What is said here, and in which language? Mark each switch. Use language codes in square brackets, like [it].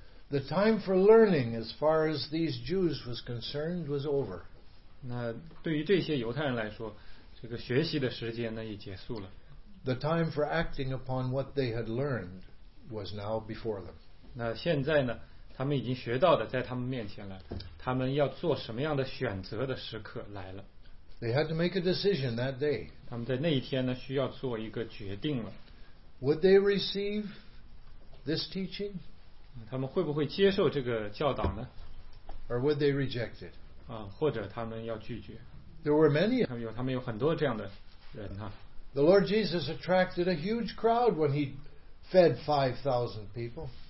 [en] The time for learning as far as these Jews was concerned was over. [zh] 那对于这些犹太人来说，这个学习的时间呢也结束了。 [en] The time for acting upon what they had learned was now before them. [zh] 那现在呢，他们已经学到的在他们面前了，他们要做什么样的选择的时刻来了。 [en] They had to make a decision that day. [zh] 他们在那一天呢，需要做一个决定了。 [en] Would they receive this teaching? [zh] 他们会不会接受这个教导呢？ [en] Or would they reject it? [zh] 或者他们要拒绝。 [en] There were many. [zh] 他们有很多这样的人哈。 [en] The Lord Jesus attracted a huge crowd when he fed 5,000 people.